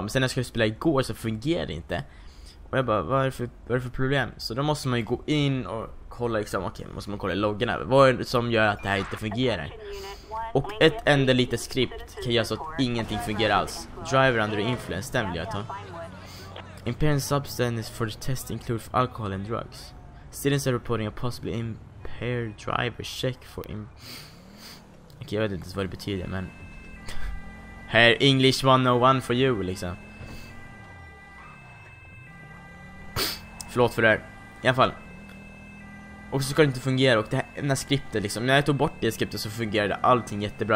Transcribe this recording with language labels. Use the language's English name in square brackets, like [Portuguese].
[Swedish] Men sen när jag skulle spela igår så fungerade det inte. Och jag bara, vad är det för problem? Så då måste man ju gå in och kolla liksom. Okej, måste man kolla i loggarna. Vad är det som gör att det här inte fungerar? Och ett enda litet skript kan göra så att ingenting fungerar alls. [English] Driver under influence, [Swedish] den vill jag ta. [English] Impairing substances for the test include for alcohol and drugs. Students are reporting a possibly impaired driver. Check for [Swedish] Okej, jag vet inte vad det betyder, men här, [English] English 101 for you, [Swedish] liksom. Förlåt för det här. I alla fall. Och så ska det inte fungera. Och det här skriptet liksom, när jag tog bort det skriptet så fungerade allting jättebra.